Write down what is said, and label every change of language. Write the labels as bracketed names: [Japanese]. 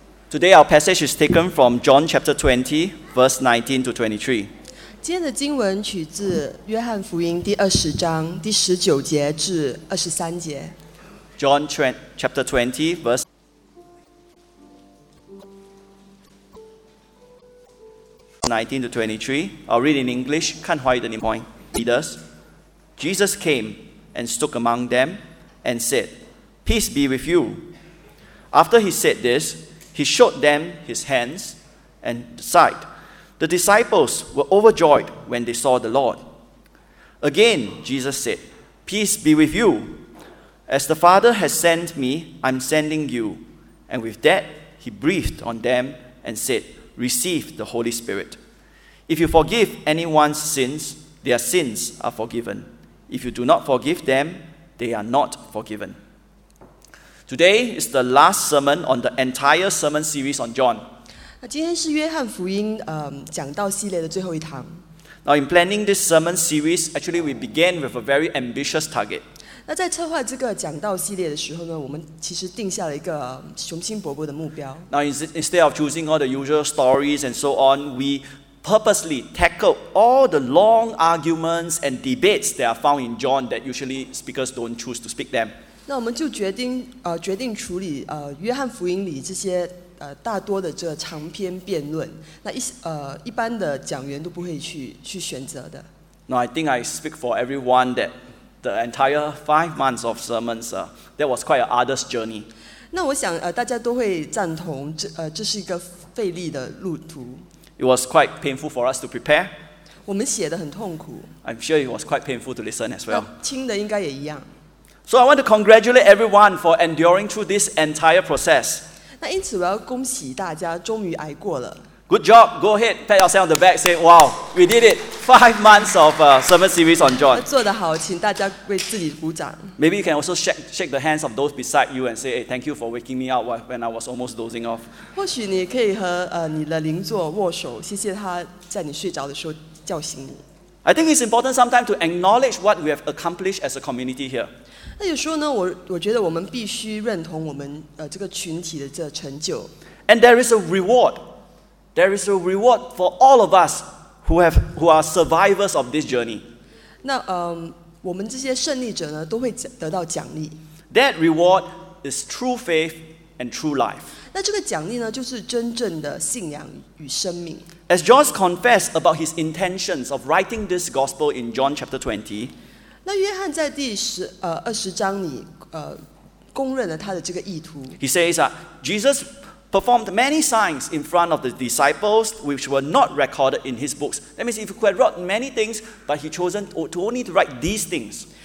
[English] Today, our passage is taken from John chapter 20, verse 19 to 23. [Chinese] 今天的经文取自约翰福音第二十章第十九节至二十三节。 [English] John chapter 20, verse. I'll read in English. [Chinese] 看华语的你们。 [English] Leaders, Jesus came and stood among them and said, "Peace be with you." After he said this, he showed them his hands and the side. The disciples were overjoyed when they saw the Lord. Again, Jesus said, "Peace be with you. As the Father has sent me, I'm sending you." And with that, he breathed on them and said, "Receive the Holy Spirit." If you forgive anyone's sins, their sins are forgiven. If you do not forgive them, they are not forgiven. Today is the last sermon on the entire sermon series on John. [Chinese] 今天是约翰福音讲道系列的最后一堂。 [English] Now in planning this sermon series, actually we began with a very ambitious target. [Chinese] 那在策划这个讲道系列的时候呢，我们其实定下了一个雄心勃勃的目标。 [English] Now instead of choosing all the usual stories and so on, we purposely tackle all the long arguments and debates that are found in John that usually speakers don't choose to speak them. [Chinese] 那我们就决定处理约翰福音里这些大多的这长篇辩论，那一般的讲员都不会去选择的。 [English] Now I think I speak for everyone that the entire 5 months of sermons, that was quite an arduous journey. [Chinese] 那我想大家都会赞同这是一个费力的路途。 [English] It was quite painful for us to prepare. [Chinese] 我们写得很痛苦。 [English] I'm sure it was quite painful to listen as well. [Chinese] 听的应该也一样。 [English] So I want to congratulate everyone for enduring through this entire process. [Chinese] 那因此我要恭喜大家终于挨过了。 [English] Good job. Go ahead. Pat yourself on the back. Say, "Wow, we did it. 5 months of sermon series on John." [Chinese] 做得好，请大家为自己鼓掌。 [English] Maybe you can also shake the hands of those beside you and say, "Hey, thank you for waking me up when I was almost dozing off." [Chinese] 或许你可以和你的邻座握手，谢谢他在你睡着的时候叫醒你。 [English] I think it's important sometimes to acknowledge what we have accomplished as a community here. [Chinese] 那有时候呢，我觉得我们必须认同我们这个群体的这成就。 [English] And there is a reward. There is a reward for all of us. Who are survivors of this journey. [Chinese] 那我们这些胜利者呢都会得到奖励。 [English] That reward is true faith and true life. [Chinese] 那这个奖励呢就是真正的信仰与生命。 [English] As John confessed about his intentions of writing this gospel in John chapter 20, [Chinese] 那约翰在第二十章里公认了他的这个意图。 [English] He says that Jesus performed many signs in front of the disciples which were not recorded in his books. That means if he had wrote many things, but he chosen to only to write these things.